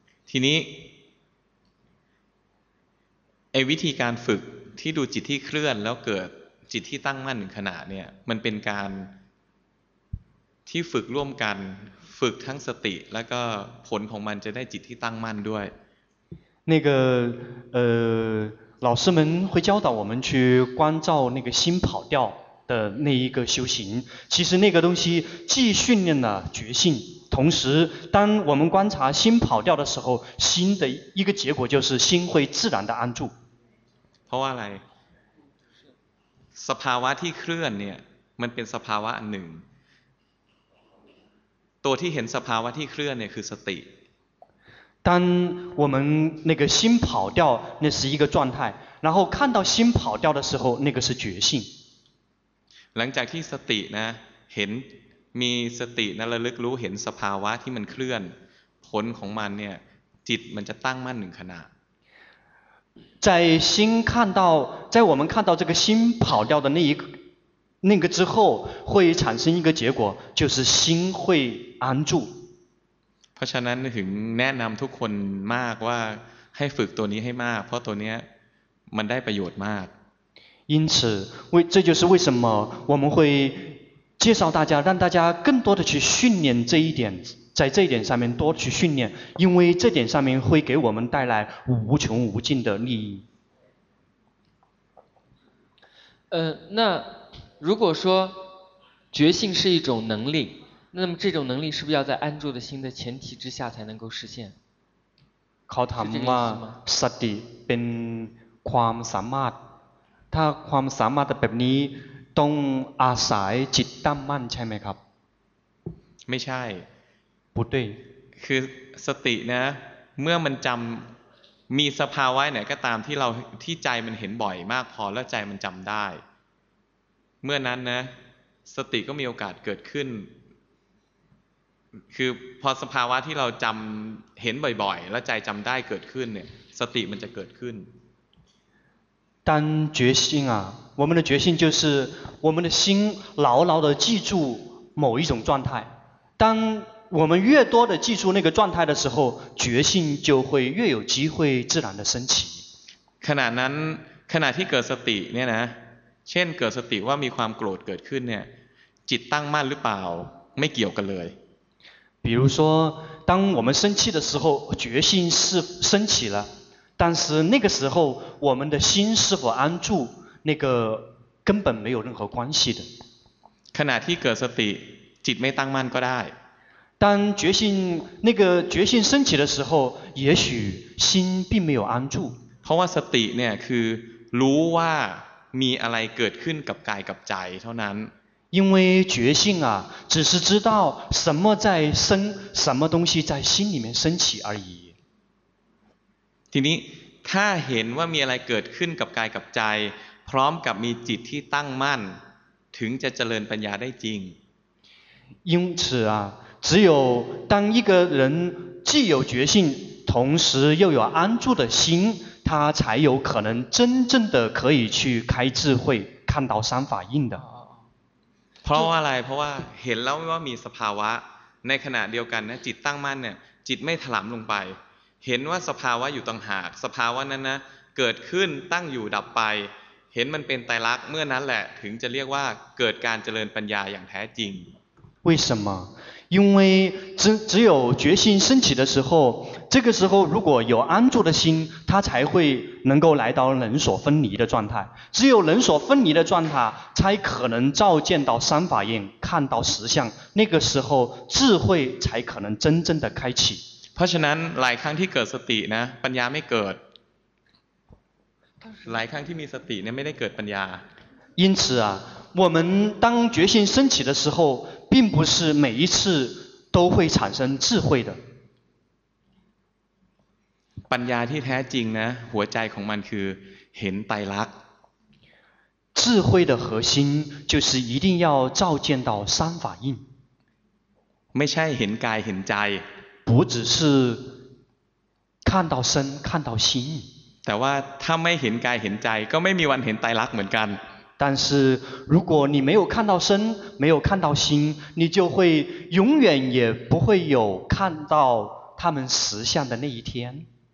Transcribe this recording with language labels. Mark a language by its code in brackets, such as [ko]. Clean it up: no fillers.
[th] ทีนี้ไอ้วิธีการฝึกที่ดูจิตที่เคลื่อนแล้วเกิดจิตที่ตั้งมั่นหนึ่งขณะเนี่ยมันเป็นการที่ฝึกร่วมกันฝึกทั้งสติแล้วก็ผลของมันจะได้จิตที่ตั้งมั่นด้วย [zh] 那个老师们会教导我们去关照那个心跑掉的那一个修行其实那个东西既训练了觉性同时当我们观察心跑掉的时候心的一个结果就是心会自然的安住 [th] เพราะว่าอะไรสภาวะที่เคลื่อนเนี่ยมันเป็นสภาวะอันหนึ่งตัวที่เห็นสภาวะที่เคลื่อนเนี่ยคือสติ [zh] 当我们那个心跑掉那是一个状态然后看到心跑掉的时候那个是觉性 [th] หลังจากที่สตินะเห็นมีสตินะระลึกรู้เห็นสภาวะที่มันเคลื่อนผลของมันเนี่ยจิตมันจะตั้งมั่นหนึ่งขณะ [zh] 在心看到在我们看到这个心跑掉的那一那个之后会产生一个结果就是心会安住 [th] เพราะฉะนั้นถึงแนะนำทุกคนมากว่าให้ฝึกตัวนี้ให้มากเพราะตัวนี้มันได้ประโยชน์มาก [zh] 因此为这就是为什么我们会介绍大家让大家更多的去训练这一点在这一点上面多去训练因为这点上面会给我们带来无穷无尽的利益那如果说觉性是一种能力那么这种能力是不是要在安住的心的前提之下才能够实现 [th] เขาถามว่าสติเป็นความสามารถถ้าความสามารถแบบนี้ต้องอาศัยจิตตั้งมั่นใช่ไหมครับ ไม่ใช่ [zh] 不对 [th] คือสตินะเมื่อมันจำมีสภาวะไหนก็ตามที่เราที่ใจมันเห็นบ่อยมากพอแล้วใจมันจำได้เมื่อนั้นนะสติก็มีโอกาสเกิดขึ้นคือพอสภาวะที่เราจำเห็นบ่อยๆแล้วใจจำได้เกิดขึ้นเนี่ยสติมันจะเกิดขึ้น [zh] 但觉性啊我们的觉性就是我们的心牢牢地记住某一种状态当我们越多地记住那个状态的时候觉性就会越有机会自然地升起 [th] ขณะนั้นขณะที่เกิดสติเนี่ยนะเช่นเกิดสติว่ามีความโกรธเกิดขึ้นเนี่ยจิตตั้งมั่นหรือเปล่าไม่เกี่ยวกันเลย [zh] 比如说当我们生气的时候觉性是升起了但是那个时候我们的心是否安住那个根本没有任何关系的 [th] ขณะที่เกิดสติจิตไม่ตั้งมั่นก็ได้ [zh] 当觉性那个觉性升起的时候也许心并没有安住 [th] เพราะว่าสติเนี่ยคือรู้ว่ามีอะไรเกิดขึ้นกับกายกับใจเท่านั้น [zh] 因为觉性啊只是知道什么在生什么东西在心里面升起而已 [th] ทีนี้ถ้าเห็นว่ามีอะไรเกิดขึ้นกับกายกับใจพร้อมกับมีจิตที่ตั้งมั่นถึงจะเจริญปัญญาได้จริง [zh] 因此啊只有当一个人既有觉性同时又有安住的心他才有可能真正的可以去开智慧看到三法印的 [th] เพราะว่าอะไรเพราะว่าเห็นแล้วว่ามีสภาวะในขณะเดียวกันนะจิตตั้งมั่นเนี่ยจิตไม่ถลำลงไปเห็นว่าสภาวะอยู่ต่างหากสภาวะนั้นนะเกิดขึ้นตั้งอยู่ดับไปเห็นมันเป็นไตรลักษณ์เมื่อนั้นแหละถึงจะเรียกว่าเกิดการเจริญปัญญาอย่างแท้จริง [zh] 为什么因为只有觉性升起的时候这个时候如果有安住的心它才会能够来到人所分离的状态只有人所分离的状态才可能照见到三法印看到实相那个时候智慧才可能真正的开启 [th] เพราะฉะนั้นหลายครั้งที่เกิดสตินะปัญญาไม่เกิดหลายครั้งที่มีสติเนี่ยไม่ได้เกิดปัญญา [zh] 因此啊我们当觉性升起的时候并不是每一次都会产生智慧的 [th] ปัญญาที่แท้จริงนะหัวใจของมันคือเห็นไตรลักษณ์ [zh] 智慧的核心就是一定要照见到三法印 [th] ไม่ใช่เห็นกายเห็นใจ [zh] 不只是看到身看到心 [th] แต่ว่าถ้าไม่เห็นกายเห็นใจก็ไม่มีวันเห็นไตรลักษณ์เหมือนกัน [zh] 但是如果你没有看到身没有看到心你就会永远也不会有看到他们实相的那一天